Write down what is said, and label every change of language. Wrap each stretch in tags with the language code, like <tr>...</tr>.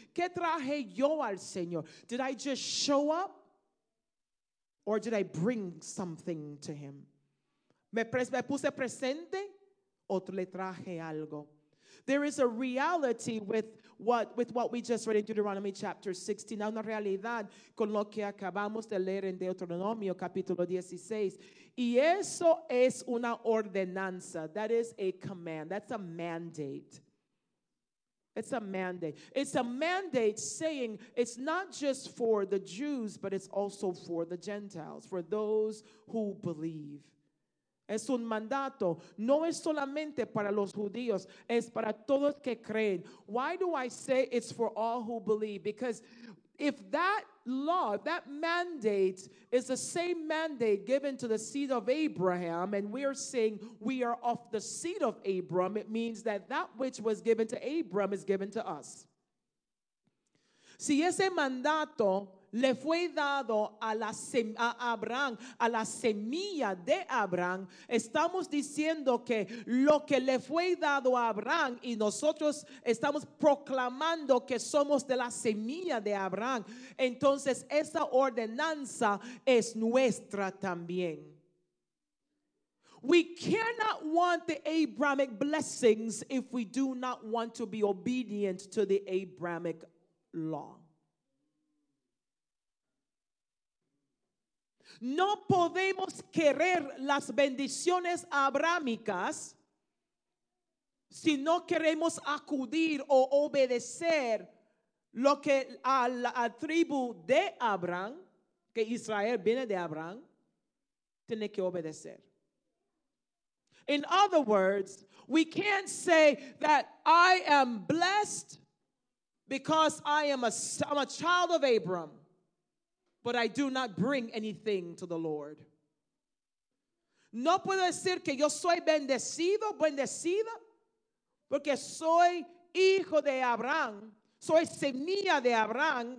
<es>¿Qué traje yo al Señor?</es> <en>Did I just show up? Or did I bring something to him?</en> <es>¿Me puse presente? ¿O le traje algo?</es> <en>There is a reality with what we just read in Deuteronomy chapter 16.</en> <es>Hay una realidad con lo que acabamos de leer en Deuteronomio capítulo 16. Y eso es una ordenanza.</es> <en>That is a command. That's a mandate. It's a mandate. It's a mandate saying it's not just for the Jews, but it's also for the Gentiles, for those who believe.</en> <es>Es un mandato, no es solamente para los judíos, es para todos que creen.</es> <en>Why do I say it's for all who believe? Because if that law, that mandate is the same mandate given to the seed of Abraham, and we are saying we are of the seed of Abraham, it means that that which was given to Abraham is given to us.</en> <es>Si ese mandato le fue dado a Abraham, a la semilla de Abraham. Estamos diciendo que lo que le fue dado a Abraham, y nosotros estamos proclamando que somos de la semilla de Abraham, entonces esa ordenanza es nuestra también.</es> <en>We cannot want the Abrahamic blessings if we do not want to be obedient to the Abrahamic law.</en> <es>No podemos querer las bendiciones abrámicas si no queremos acudir o obedecer lo que a la tribu de Abraham, que Israel viene de Abraham, tiene que obedecer.</es> <en>In other words, we can't say that I am blessed because I'm a child of Abram, but I do not bring anything to the Lord.</en> <es>No puedo decir que yo soy bendecido, bendecida, porque soy hijo de Abraham, soy semilla de Abraham.</es>